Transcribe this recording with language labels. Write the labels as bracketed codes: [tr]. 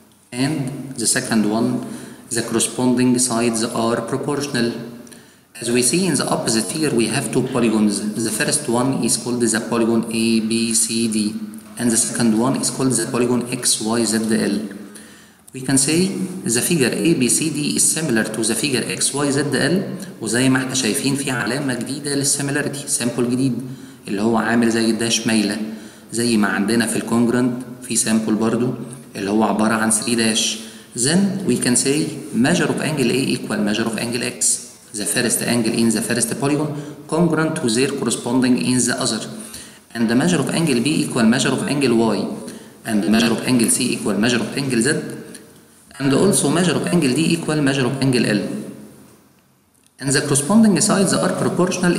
[en] And the second one, the corresponding sides are proportional. As we see in the opposite here, we have two polygons. The first one is called the polygon ABCD, and the second one is called the polygon XYZL. We can say the figure ABCD is similar to the figure XYZL, [ar] وزي ما احنا شايفين في علامة جديدة للسيميلاريتي، سامبل جديد اللي هو عامل زي الداش مايلة، زي ما عندنا في الكونجرنت في سامبل برضو اللي هو عبارة عن 3 داش. [en] Then we can say measure of angle A equal measure of angle X. The first angle in the first polygon congruent to their corresponding in the other. And the measure of angle B equal measure of angle Y. And the measure of angle C equal measure of angle Z. And also measure of angle D equal measure of angle L. And the corresponding sides are proportional.